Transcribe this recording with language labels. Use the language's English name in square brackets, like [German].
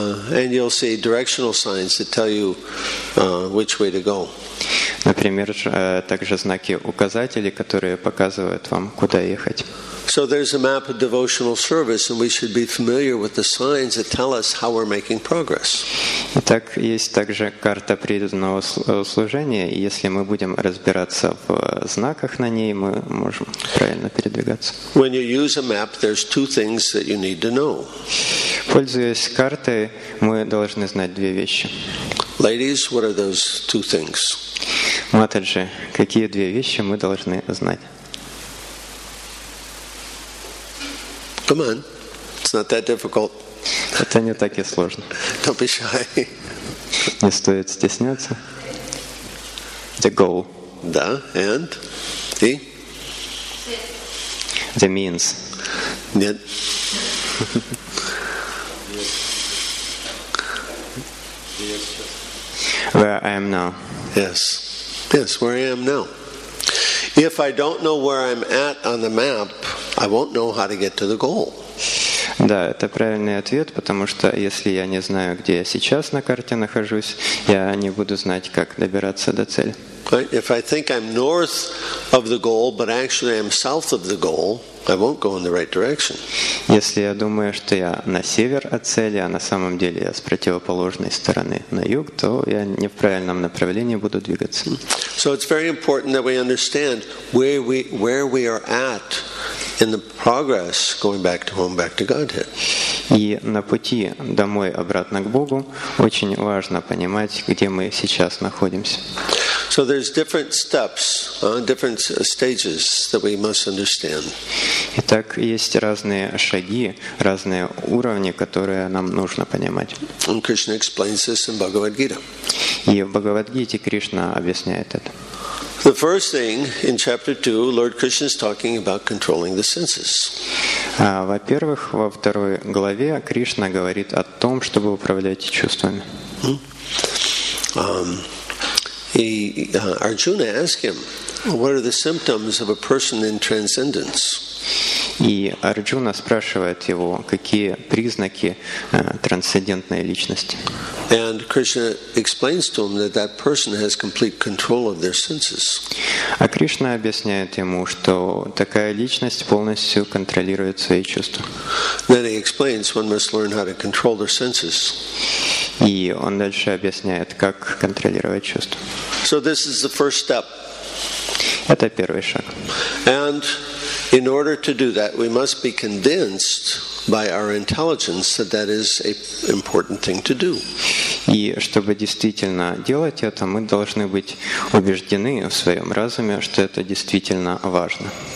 [English] And you'll see directional signs that tell you which way to go. [Russian] Например, также знаки указатели, которые показывают вам, куда ехать. [English] So there's a map of devotional service, and we should be familiar with the signs that tell us how we're making progress. [Russian] Итак, есть также карта преданного служения, и если мы будем разбираться в знаках на ней, мы можем правильно передвигаться. [English] When you use a map, there's two things that you need to know. [Russian] Пользуясь картой, мы должны знать две вещи. [English] Ladies, what are those two things? [Russian] Матаджи, какие две вещи мы должны знать? [English] Come on, it's not that difficult. [Russian] Это не так и сложно. [English] Don't be shy. [Russian] Не стоит стесняться. [English] The goal. [Russian] Да, [English] and the? The means. [Russian] Нет. [English] Where I am now. Yes. Yes, where I am now. If I don't know where I'm at on the map, I won't know how to get to the goal. [Russian] Да, это правильный ответ, потому что если я не знаю, где я сейчас на карте нахожусь, я не буду знать, как добираться до цели. [English] Right? If I think I'm north of the goal, but actually I'm south of the goal, I won't go in the right direction. [Russian] Если я думаю, что я на север от цели, а на самом деле я с противоположной стороны на юг, то я не в правильном направлении буду двигаться. [English] So it's very important that we understand where we are at in the progress going back to home, back to Godhead. [Russian] И на пути домой обратно к Богу очень важно понимать, где мы сейчас находимся. [English] So there's different steps, different stages that we must understand. [Russian] Итак, есть разные шаги, разные уровни, которые нам нужно понимать. [English] And Krishna explains this in Bhagavad Gita. [Russian] И в Бхагавад-гите Кришна объясняет это. [English] The first thing in chapter 2, Lord Krishna is talking about controlling the senses. [Russian] Во-первых, во второй главе Кришна говорит о том, чтобы управлять чувствами. [English] Arjuna asked him, "What are the symptoms of a person in transcendence?" [Russian] И Арджуна спрашивает его, какие признаки трансцендентной личности. [English] And Krishna explains to him that that person has complete control of their senses. [Russian] А Кришна объясняет ему, что такая личность полностью контролирует свои чувства. [English] Then he explains one must learn how to control their senses. [Russian] И он дальше объясняет, как контролировать чувства. [English] So this is the first step. [Russian] Это первый шаг. [English] And in order to do that, we must be convinced by our intelligence that that is an important thing to do. [Russian] И чтобы действительно делать это, мы должны быть убеждены в своем разуме, что это действительно важно.